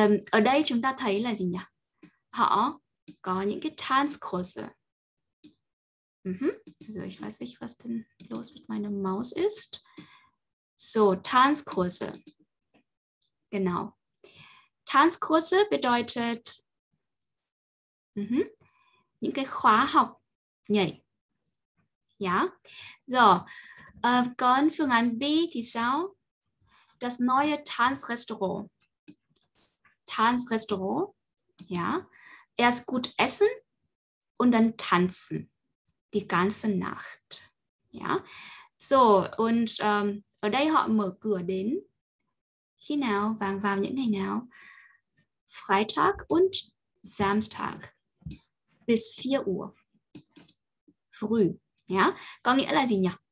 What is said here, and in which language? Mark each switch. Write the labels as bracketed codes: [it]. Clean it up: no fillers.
[vi] Ở đây chúng ta thấy là gì nhỉ? Họ có những cái Tanzkurse. [de] Also ich weiß nicht, was denn los mit meiner Maus ist. So, Tanzkurse. Genau. [vi] Tanzkurse bedeutet những cái khóa học nhảy. Ja? So, còn phương án B thì sao? [de] Das neue Tanzrestaurant. Tanzrestaurant. Ja. Erst gut essen und dann tanzen. Die ganze Nacht. Ja. So, und [vi] ở đây họ mở cửa đến khi nào? Vào những ngày nào? [de] Freitag und Samstag. Bis 4 Uhr. Früh. Ja. [vi] Có nghĩa là gì nhỉ?